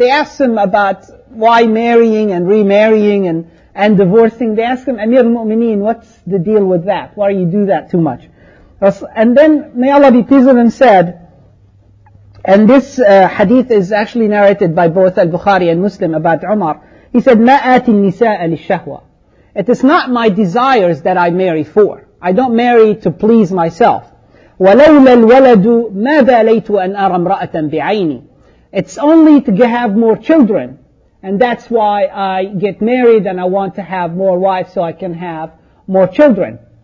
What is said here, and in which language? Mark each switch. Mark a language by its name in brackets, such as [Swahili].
[English] They asked him about why marrying and remarrying and divorcing. They asked him, Amir al-Mu'mineen, what's the deal with that? Why do you do that too much? And then, may Allah be pleased with him, said, and this hadith is actually narrated by both al-Bukhari and Muslim about Umar. He said, [Arabic] مَا آتِ النِّسَاءَ لِلشَّهْوَةِ. [English] It is not my desires that I marry for. I don't marry to please myself. [Arabic] وَلَوْلَا الْوَلَدُ مَا بَالَيْتُ أَنْ أَرَى امْرَأَةً بِعَيْنِي. [English] It's only to have more children. And that's why I get married and I want to have more wives so I can have more children.